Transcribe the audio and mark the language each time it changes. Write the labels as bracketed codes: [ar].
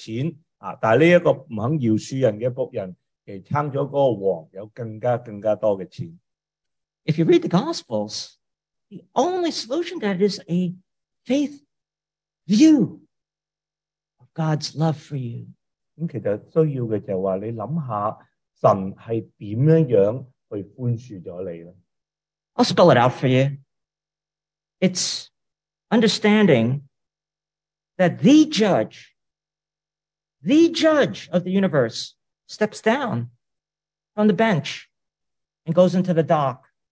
[zh] 我想起圣经一个比喻，讲一个仆人不肯去宽恕另一个仆人，因为另一个仆人欠了一些钱，但这个不肯饶恕人的仆人。 [en] If you read the Gospels, the only solution to that is a faith view of God's love for you. [zh] 其实需要的就是说，你想想神是怎样去宽恕了你呢？ [en] I'll spell it out for you. It's understanding that the judge of the universe, steps down on the bench and goes into the dock.